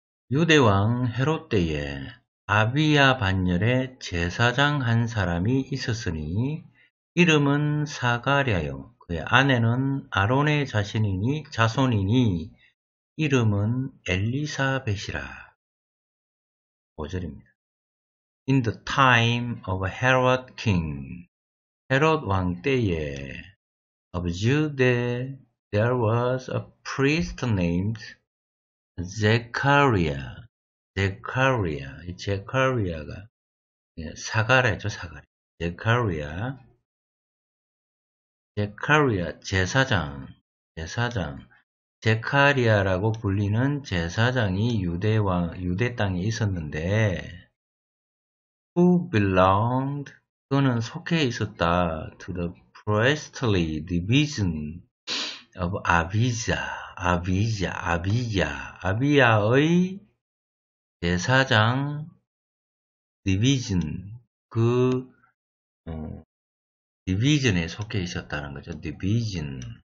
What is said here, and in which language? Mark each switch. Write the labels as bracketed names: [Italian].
[Korean] 유대왕 헤롯 때에 아비야 반열의 제사장 한 사람이 있었으니 이름은 사가랴요. 그의 아내는 아론의 자손이니 이름은 엘리사벳이라. 5절입니다. [English] In the time of Herod king, [Korean] 헤롯 왕 때에 [English] of Judea there was a priest named Zechariah. [Korean] 제카리아, 제카리아가 사가랴죠, 사가랴. 제카리아, 제사장, 제카리아라고 불리는 제사장이 유대 땅에 있었는데, [English] who belonged, [Korean] 그는 속해 있었다, [English] to the priestly division of Abijah [Korean] 의 제사장 division, 그, division에 속해 있었다는 거죠. division.